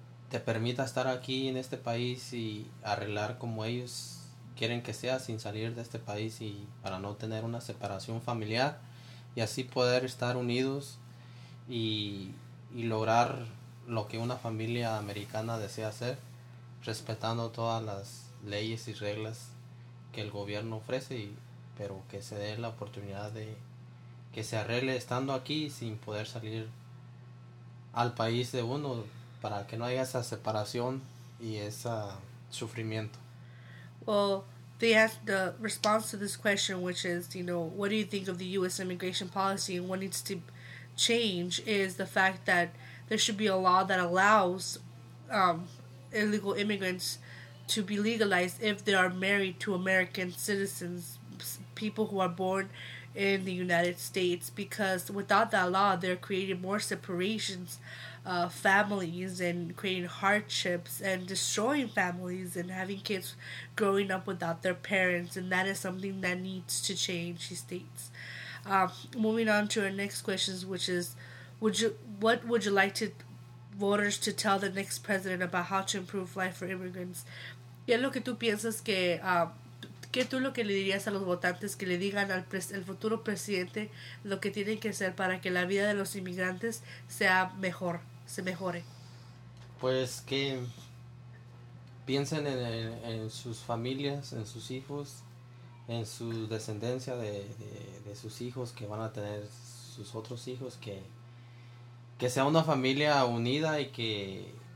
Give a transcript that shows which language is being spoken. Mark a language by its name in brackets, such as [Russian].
[Spanish] te permita estar aquí en este país y arreglar como ellos quieren que sea sin salir de este país y para no tener una separación familiar y así poder estar unidos y lograr lo que una familia americana desea hacer respetando todas las leyes y reglas que el gobierno ofrece pero que se dé la oportunidad de que se arregle estando aquí sin poder salir al país de uno para que no haya esa separación y ese sufrimiento. [English] Well, they asked the response to this question, which is, you know, what do you think of the U.S. immigration policy and what needs to change, is the fact that there should be a law that allows illegal immigrants to be legalized if they are married to American citizens, people who are born in the United States, because without that law, they're creating more separations, families, and creating hardships and destroying families and having kids growing up without their parents, and that is something that needs to change, he states. Moving on to our next questions, which is, what would you like to voters to tell the next president about how to improve life for immigrants? [Spanish] ¿Qué es lo que tú piensas que, qué tú lo que le dirías a los votantes que le digan al el futuro presidente lo que tienen que hacer para que la vida de los inmigrantes sea mejor, se mejore? Pues que piensen en sus familias, en sus hijos, en su descendencia de sus hijos que van a tener sus otros hijos, que sea una familia unida y que